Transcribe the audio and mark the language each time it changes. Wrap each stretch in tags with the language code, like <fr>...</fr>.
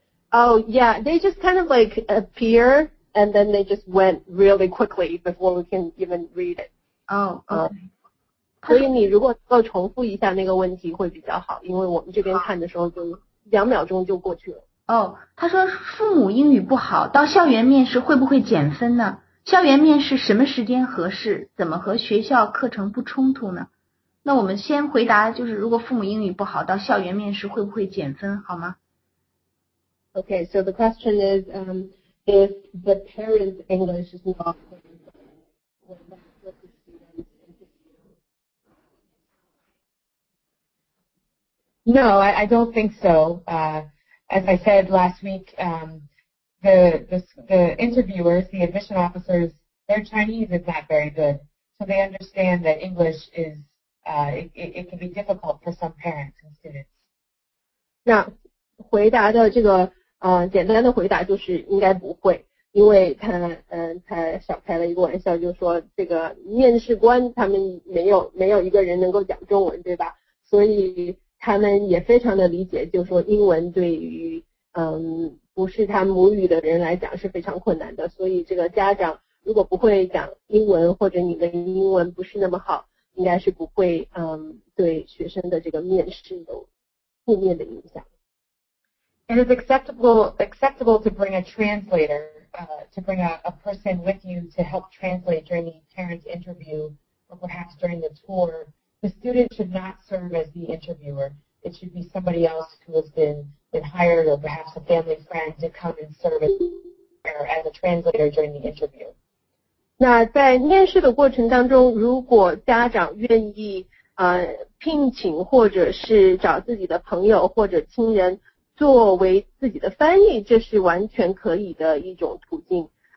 <en>Oh yeah, they just kind of like appear and then they just went really quickly before we can even read it. Oh, okay.</en> <zh>所以你如果能够重复一下那个问题会比较好，因为我们这边看的时候就两秒钟就过去了。 Oh, 他说父母英语不好，到校园面试会不会减分呢？校园面试什么时间合适？怎么和学校课程不冲突呢？那我们先回答，就是如果父母英语不好，到校园面试会不会减分，好吗？</zh> <en>Okay, so the question is, if the parents' English is not good, will that hurt the student's interview? No, I don't think so. As I said last week, the interviewers, the admission officers, their Chinese is not very good. So they understand that English is, it can be difficult for some parents and students.</en> <zh>那回答的这个简单的回答就是应该不会，因为他小开了一个玩笑，就说这个面试官他们没有一个人能够讲中文，对吧？所以他们也非常的理解，就说英文对于不是他母语的人来讲是非常困难的。所以这个家长如果不会讲英文，或者你的英文不是那么好，应该是不会对学生的这个面试有负面的影响。</zh> <en>It is acceptable to bring a translator, to bring a person with you to help translate during the parent interview or perhaps during the tour. The student should not serve as the interviewer. It should be somebody else who has been hired or perhaps a family friend to come and serve as a translator during the interview.</en> <zh>那在面试的过程当中，如果家长愿意聘请或者是找自己的朋友或者亲人作为自己的翻译，这是完全可以的一种途径。</zh>